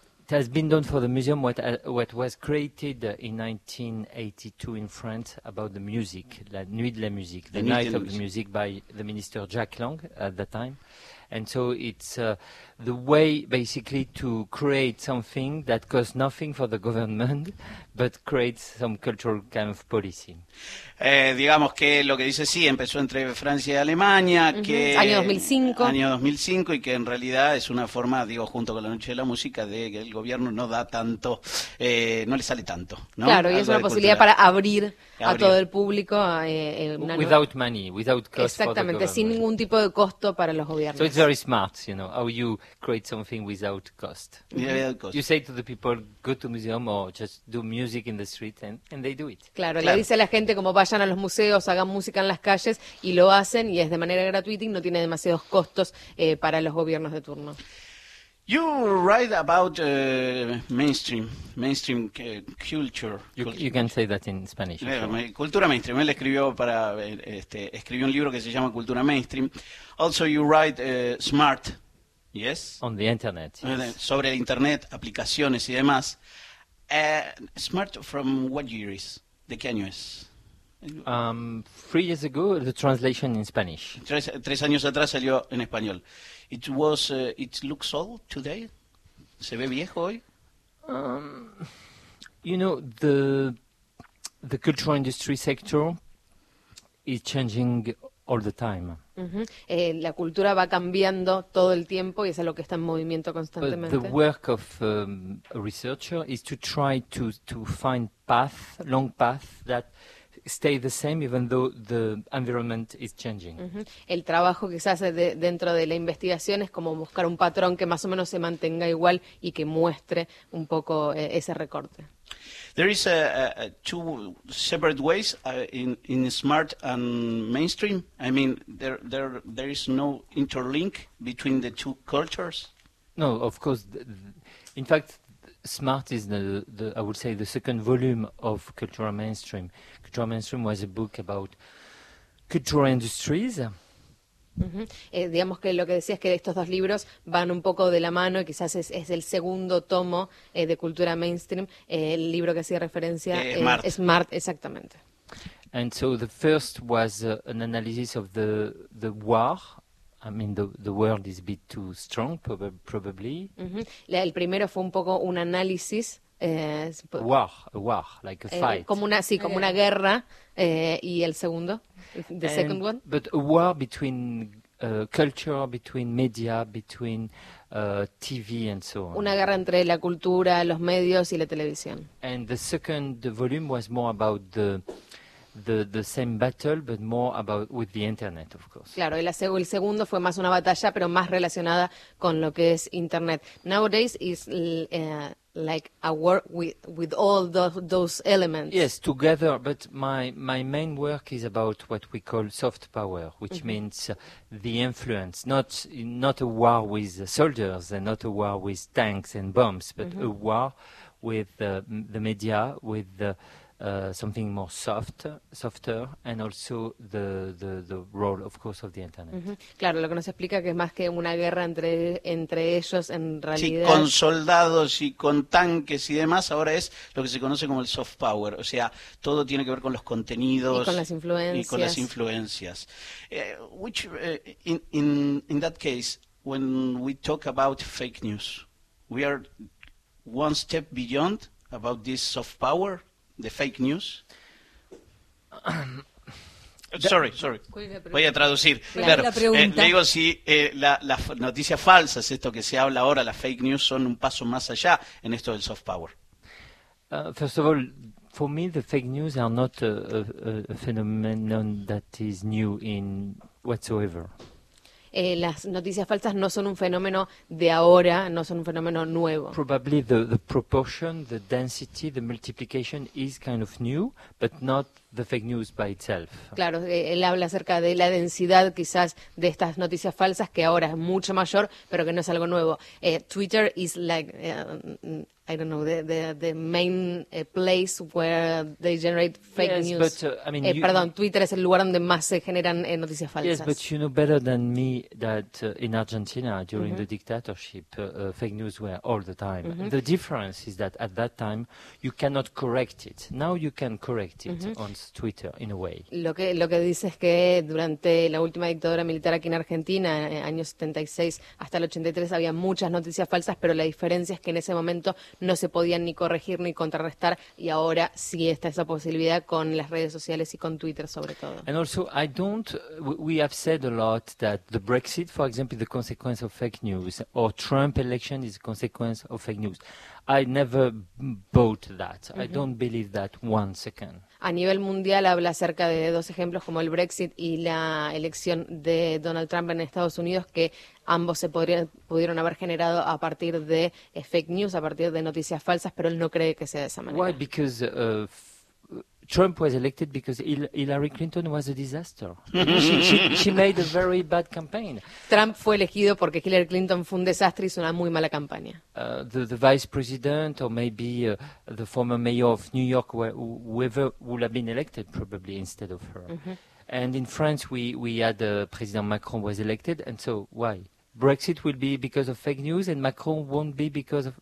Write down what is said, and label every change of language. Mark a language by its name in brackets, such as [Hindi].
[English] It has been done for the museum what was created in 1982 in France about the music, La Nuit de la Musique, the Night of the Music by the Minister Jack Lang at that time. And so it's the way basically to create something that costs nothing for the government, but creates some cultural kind of policy. [Spanish] Digamos que lo que dice, sí, empezó entre Francia y Alemania, mm-hmm. que... Año 2005, y que en realidad es una forma, digo, junto con la Noche de la Música, de que el gobierno no da tanto, no le sale tanto, ¿no? Claro, y es una posibilidad cultura. Para abrir a todo el público. [English] Without money, without cost for the government. [Spanish] Exactamente, sin ningún tipo de costo para los gobiernos. [English] So it's very smart, you know, how you create something without cost. Mm-hmm. Without cost. You say to the people, go to museum or just do music in the street, and they do it. [Spanish] Claro, le dice a la gente como vayan a los museos, hagan música en las calles, y lo hacen, y es de manera gratuita y no tiene demasiados costos para los gobiernos de turno. [English] You write about mainstream culture. You can say that in Spanish. [Spanish] Cultura mainstream. Él escribió para escribió un libro que se llama Cultura Mainstream. [English] Also, you write smart. Yes. On the internet. Yes. [Spanish] Sobre el internet, aplicaciones y demás. [English] Smart from what year is? [Spanish] ¿De qué año es? [English] 3 years ago, the translation in Spanish. [Spanish] Tres años atrás salió en español. [English] It was. It looks old today. [Spanish] ¿Se ve viejo hoy? [English] You know, the cultural industry sector is changing all the time. Uh-huh. [Spanish] La cultura va cambiando todo el tiempo y es algo que está en movimiento constantemente. [English] But the work of a researcher is to try to find path, long path that stay the same even though the environment is changing. Uh-huh. [Spanish] El trabajo que se hace dentro de la investigación es como buscar un patrón que más o menos se mantenga igual y que muestre un poco ese recorte. [English] There is two separate ways in smart and mainstream. I mean, there is no interlink between the two cultures. No, of course. In fact, smart is the second volume of Cultura Mainstream. Cultura Mainstream was a book about cultural industries. Uh-huh. [Spanish] Digamos que lo que decía es que estos dos libros van un poco de la mano y quizás es el segundo tomo de Cultura Mainstream, el libro que hacía referencia es Smart, exactamente. [English] And so the first was an analysis of the war. I mean, the world is a bit too strong, probably. [Spanish] Uh-huh. El primero fue un poco un análisis. [English] A war, like a fight. [Spanish] Como una guerra. Y el segundo, the [English] and, second one. But a war between culture, between media, between TV and so on. [Spanish] Una guerra entre la cultura, los medios y la televisión. [English] And the second volume was more about the same battle, but more about with the internet, of course. [Spanish] Claro, el segundo fue más una batalla, pero más relacionada con lo que es internet. [English] Nowadays is like a war with all those elements. Yes, together. But my main work is about what we call soft power, which mm-hmm. means the influence. Not a war with soldiers, and not a war with tanks and bombs, but mm-hmm. a war with the media, with the something more softer, and also the role, of course, of the internet. Uh-huh. [Spanish] Claro, lo que nos explica que es más que una guerra entre ellos, en realidad. Sí, con soldados y con tanques y demás, ahora es lo que se conoce como el soft power. O sea, todo tiene que ver con los contenidos. Y con las influencias. [English] Which, in that case, when we talk about fake news, we are one step beyond about this soft power. The fake news. Sorry. [Spanish] Voy a traducir. Claro. Le digo si las noticias falsas, esto que se habla ahora, las fake news, son un paso más allá en esto del soft power. [English] First of all, for me, the fake news are not a phenomenon that is new in whatsoever. [Spanish] Las noticias falsas no son un fenómeno de ahora, no son un fenómeno nuevo. [English] Probably the proportion, the density, the multiplication is kind of new, but not the fake news by itself. [Spanish] Claro, él habla acerca de la densidad quizás de estas noticias falsas, que ahora es mucho mayor, pero que no es algo nuevo. [English] Twitter is like I don't know, the main place where they generate fake yes, news. But, I mean, [Spanish] perdón, Twitter es el lugar donde más se generan noticias falsas. [English] Yes, but you know better than me that in Argentina, during mm-hmm. the dictatorship, fake news were all the time. Mm-hmm. The difference is that at that time, you cannot correct it. Now you can correct it mm-hmm. on Twitter, in a way. [Spanish] Lo que dice es que durante la última dictadura militar aquí en Argentina, en años 76 hasta el 83, había muchas noticias falsas, pero la diferencia es que en ese momento no se podían ni corregir ni contrarrestar, y ahora sí está esa posibilidad con las redes sociales y con Twitter sobre todo. [English] And also, I don't. We have said a lot that the Brexit, for example, is the consequence of fake news, or Trump election is a consequence of fake news. I never bought that. Mm-hmm. I don't believe that one second. [Spanish] A nivel mundial habla acerca de dos ejemplos como el Brexit y la elección de Donald Trump en Estados Unidos, que ambos se pudieron haber generado a partir de fake news, a partir de noticias falsas, pero él no cree que sea de esa manera. [English] Why? Because Trump was elected because Hillary Clinton was a disaster. She made a very bad campaign. [Spanish] Trump fue elegido porque Hillary Clinton fue un desastre y hizo una muy mala campaña. [English] The vice president or maybe the former mayor of New York, whoever would have been elected probably instead of her. Mm-hmm. And in France, we had President Macron was elected, and so why? Brexit will be because of fake news and Macron won't be because of...